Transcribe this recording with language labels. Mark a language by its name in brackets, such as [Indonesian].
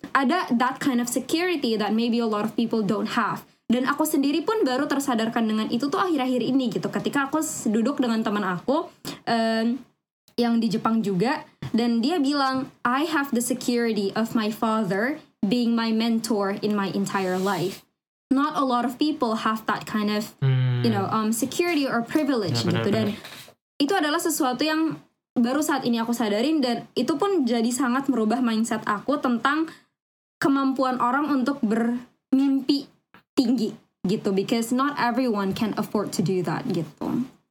[Indonesian] Ada [English] that kind of security that maybe a lot of people don't have. [Indonesian] Dan aku sendiri pun baru tersadarkan dengan itu tuh akhir-akhir ini gitu. Ketika aku duduk dengan teman aku yang di Jepang juga, Dan dia bilang, [English] I have the security of my father being my mentor in my entire life. Not a lot of people have that kind of, security or privilege. [Indonesian] Ya, gitu. Dan itu adalah sesuatu yang baru saat ini aku sadarin, dan itu pun jadi sangat merubah mindset aku tentang kemampuan orang untuk bermimpi tinggi gitu, [English] because not everyone can afford to do that [Indonesian] gitu.